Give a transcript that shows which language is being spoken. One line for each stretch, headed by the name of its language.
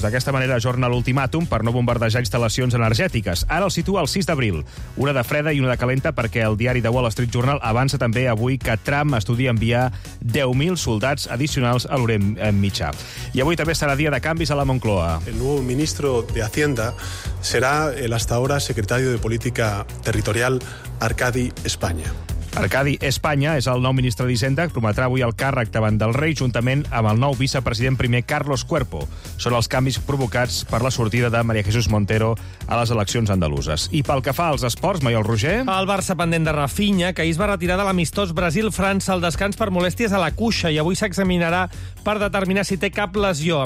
Catalan: D'aquesta manera ajorna l'ultimàtum per no bombardejar instal·lacions energètiques. Ara el situa el 6 d'abril. Una de freda i una de calenta perquè el diari The Wall Street Journal avança també avui que Trump estudia enviar 10.000 soldats addicionals a l'Orient Mitjà. I avui també serà dia de canvis a la Moncloa.
Spanish: El nuevo ministro de Hacienda será el hasta ahora secretario de Política Territorial Arcadi España.
Catalan: Arcadi España és el nou ministre d'Hisenda, que prometrà avui el càrrec davant del rei juntament amb el nou vicepresident primer Carlos Cuerpo. Són els canvis provocats per la sortida de María Jesús Montero a les eleccions andaluses. I pel que fa als esports, Maiol Roger... El Barça pendent de Rafinha, que ahir es va retirar de l'amistós Brasil-França al descans per molèsties a la cuixa, i avui s'examinarà per determinar si té cap lesió.